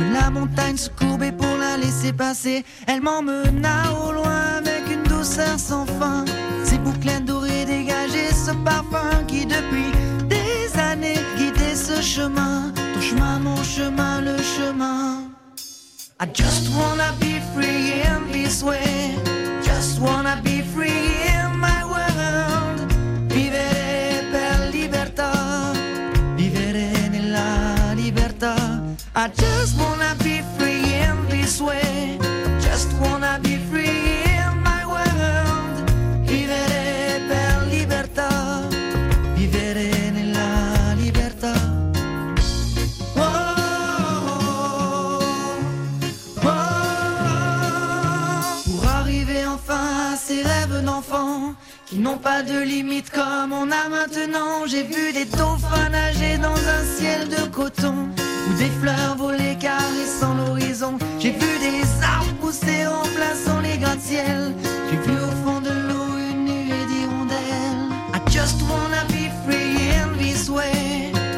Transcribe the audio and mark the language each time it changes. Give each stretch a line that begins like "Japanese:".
French: montagne se courber pour la laisser passer. Elle m'emmena au loin avec une douceur sans fin. Ses boucles dorées dégageaient ce parfum qui depuis des années guidait ce chemin. Ton chemin, mon chemin, le chemin.
English: I just wanna be free in this way. Just wanna be free in my world.
Italian: Vivere per libertà. Vivere nella libertà.
English: I just wanna be free in this way. Just wanna be free in my world.
Italian: Vivere per libertà. Vivere nella libertà. Oh, oh, oh, oh.
French: Pour arriver enfin à ces rêves d'enfant qui n'ont pas de limites comme on a maintenant. J'ai vu des dauphins nager dans un ciel de coton. Où des fleurs volaient caressant l'horizon. J'ai vu des arbres pousser en plaçant les gratte-ciels. J'ai vu au fond de l'eau une nuée d'hirondelles.
English: I just wanna be free in this way.